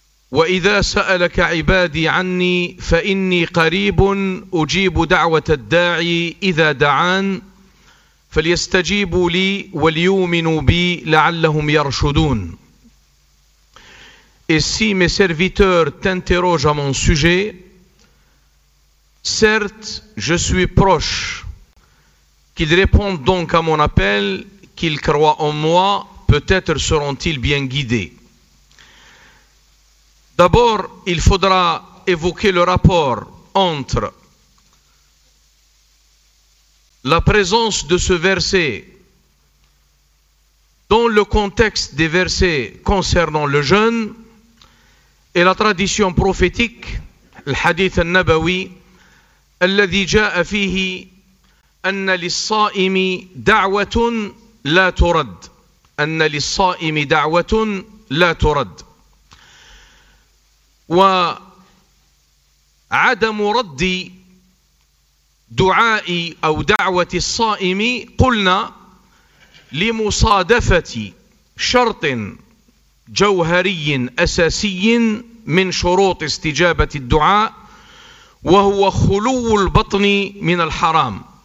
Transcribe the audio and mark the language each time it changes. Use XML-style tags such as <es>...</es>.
<ar>وإذا سألك عبادي عني فإني قريب أجيب دعوة الداعي إذا دعان فليستجيبوا لي وليؤمنوا بي لعلهم يرشدون.</ar> <fr>Et si mes serviteurs t'interrogent à mon sujet, certes, je suis proche. Qu'ils répondent donc à mon appel, qu'ils croient en moi, peut-être seront-ils bien guidés. D'abord, il faudra évoquer le rapport entre la présence de ce verset dans le contexte des versets concernant le jeûne et la tradition prophétique, le hadith al-Nabawi,</fr> <ar>الذي جاء فيه أن للصائم دعوة لا ترد،</ar> <fr>أن للصائم دعوة لا ترد.</fr> <ar>وعدم رد دعاء أو دعوة الصائم قلنا لمصادفة شرط جوهري أساسي من شروط استجابة الدعاء، وهو خلو البطن من الحرام.</ar>